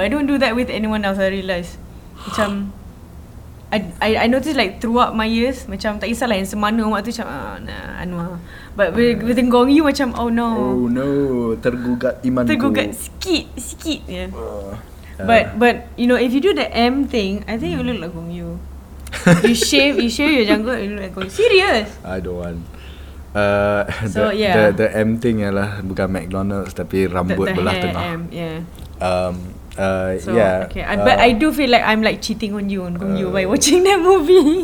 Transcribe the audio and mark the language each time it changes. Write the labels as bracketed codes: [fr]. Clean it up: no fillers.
[en] I don't do that with anyone else. I realize, [ms] macam. [en] I noticed like throughout my years, [ms] macam tak kisahlah yang semana awak tu macam Anwar. [en] But with Gong Yu [ms] macam [en] oh no [ms] tergugat imanku. Tergugat sikit ya. [en] But you know, if you do the M thing, I think you look like Gong Yu. you shave your janggut, you look like Gong Yu. Serious? I don't want. The M thing [ms] ialah bukan McDonald's tapi rambut [en] the [ms] belah tengah. [en] M, yeah. Okay. But I do feel like I'm like cheating on you and Gong Yu by watching that movie.